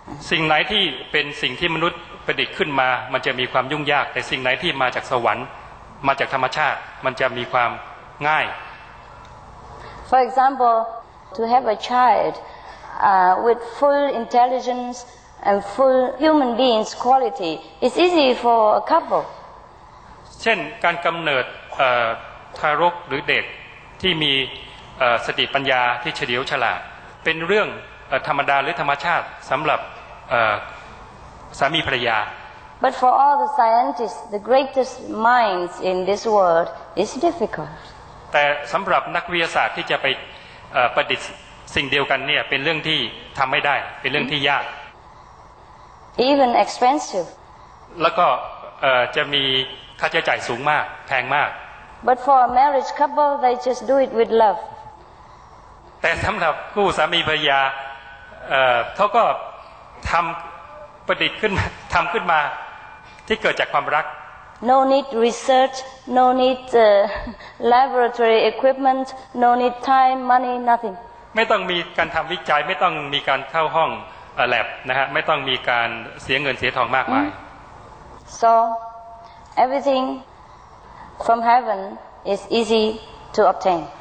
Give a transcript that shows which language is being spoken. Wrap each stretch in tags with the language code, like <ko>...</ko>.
<th>สิ่งไหนที่เป็นสิ่งที่มนุษย์ประดิษฐ์ขึ้นมามันจะมีความยุ่งยากแต่สิ่งไหนที่มาจากสวรรค์มาจากธรรมชาติมันจะมีความง่าย</th> <en>For example to have a child with full intelligence and full human beings quality is easy for a couple</en> <th>เช่นการกำเนิดทารกหรือเด็กที่มีสติปัญญาที่เฉลียวฉลาดเป็นเรื่องธรรมดาหรือธรรมชาติสำหรับสามีภรรยา</th> <en>But for all the scientists, the greatest minds in this world, it's difficult.</en> <th>แต่สำหรับนักวิทยาศาสตร์ที่จะไปประดิษฐ์สิ่งเดียวกันเนี่ยเป็นเรื่องที่ทำไม่ได้เป็นเรื่องที่ยาก</th> <en>Even expensive.</en> <th>แล้วก็จะมีค่าใช้จ่ายสูงมากแพงมาก</th> <en>But for a marriage couple, they just do it with love.</en> <th>แต่สำหรับคู่สามีภรรยาเขาก็ทำประดิษฐ์ขึ้นทำขึ้นมาที่เกิดจากความรัก</th> <en>No need research No need laboratory equipment No need time money nothing</en> <th>ไม่ต้องมีการทำวิจัยไม่ต้องมีการเข้าห้องแลบนะฮะไม่ต้องมีการเสียเงินเสียทองมากมาย</th> <en>So everything from heaven is easy to obtain</en>